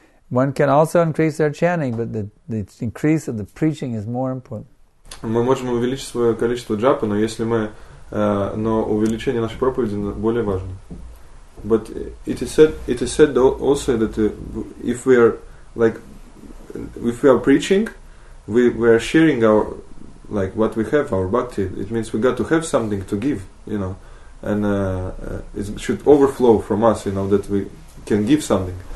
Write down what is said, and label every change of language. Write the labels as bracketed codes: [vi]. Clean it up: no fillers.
[en] One can also increase their chanting, but the increase of the preaching is more important. [ru] Мы можем увеличить свое количество джапы, но если мы, но увеличение нашей проповеди более важно. [en] But it is said also that if we are preaching, we are sharing our like what we have, our bhakti. It means we got to have something to give, you know, and it should overflow from us, you know, that we can give something.